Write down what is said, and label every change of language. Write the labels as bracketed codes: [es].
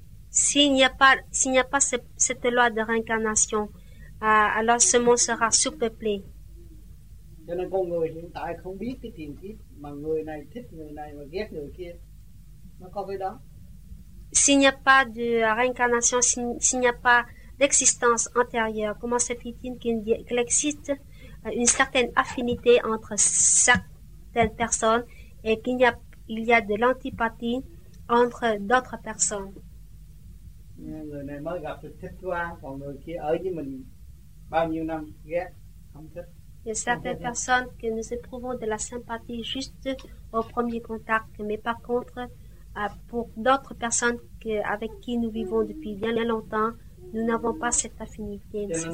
[fr] S'il n'y a pas cette loi de réincarnation, alors ce monde sera surpeuplé. [vi] Cho nên con người hiện tại không biết cái tiền kiếp mà người này thích người này và ghét người kia. Nó có cái đó. [fr] S'il n'y a pas de réincarnation, s'il n'y a pas d'existence antérieure, comment se fait-il qu'il existe une certaine affinité entre certaines personnes et qu'il y a de l'antipathie entre d'autres personnes? [vi] Người này mới gặp được thích quá, còn người kia ở với mình bao nhiêu năm ghét, không thích. [fr] Il y a certaines personnes que nous éprouvons de la sympathie juste au premier contact, mais par contre, pour d'autres personnes avec qui nous vivons depuis bien longtemps, nous n'avons pas cette affinité.